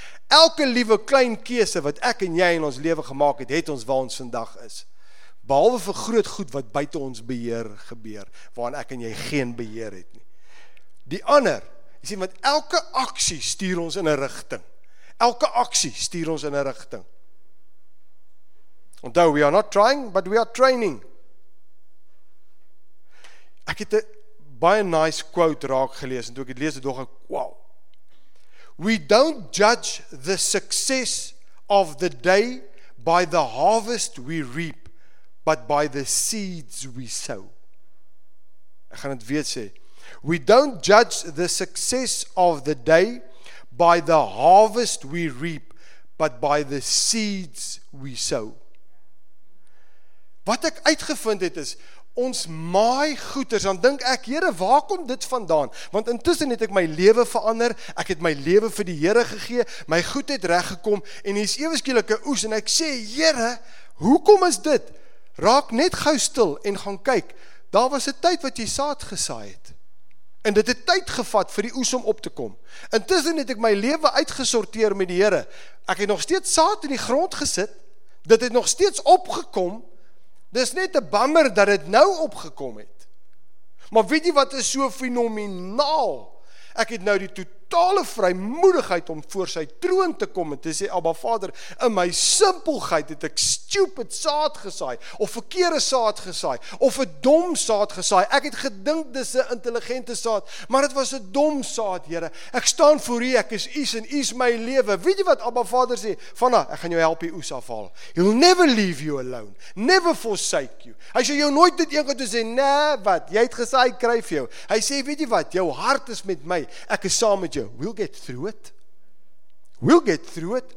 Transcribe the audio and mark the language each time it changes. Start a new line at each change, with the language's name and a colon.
Afrikaans: Elke liewe klein keuse wat ek en jy in ons lewe gemaak het, het ons waar ons vandag is. Behalwe vir groot goed wat buite ons beheer gebeur, waarin ek en jy geen beheer het nie. Die ander, jy sien, want elke aksie stuur ons in 'n rigting. Elke aksie stuur ons in 'n rigting. Onthou,
English: we are not trying, but we are training.
Afrikaans: Ek het 'n baie nice quote raak gelees, en toe ek het lees, het ook ek, wow.
English: We don't judge the success of the day by the harvest we reap, but by the seeds we sow.
Afrikaans: Ek gaan het weer sê.
English: We don't judge the success of the day by the harvest we reap, but by the seeds we sow.
Afrikaans: Wat ek uitgevind het is, ons maai goeders, dan dink ek, Here, waar kom dit vandaan? Want intussen het ek my lewe verander, ek het my lewe vir die Here gegee, my goed het reggekom, en hier is eweskielike oes, en ek sê, Here, hoekom is dit? Raak net gou stil en gaan kyk, daar was 'n tyd wat jy saad gesaai het. En dit het tyd gevat vir die oes om op te kom. Intussen het ek my lewe uitgesorteer met die Here. Ek het nog steeds saad in die grond gesit. Dit het nog steeds opgekom. Dis net 'n bammer dat dit nou opgekom het. Maar weet jy wat is so fenomenaal? Ek het nou die totale vrymoedigheid om voor sy troon te kom en te sê, Abba Vader, in my simpelheid het ek stupid saad gesaai, of verkeerde saad gesaai, of 'n dom saad gesaai. Ek het gedink dis 'n intelligente saad, maar het was 'n dom saad, Here. Ek staan voor U, ek is U en U is my lewe. Weet jy wat Abba Vader sê? Vanna, ek gaan jou help die oes afhaal.
English: He'll never leave you alone. Never forsake you.
Afrikaans: Hy sê jou nooit dit een kan toe sê, nee, wat, jy het gesaai, kry vir jou. Hy sê, weet jy wat, jou hart is met my, ek is saam met jou,
English: we'll get through it.
Afrikaans: We'll get through it.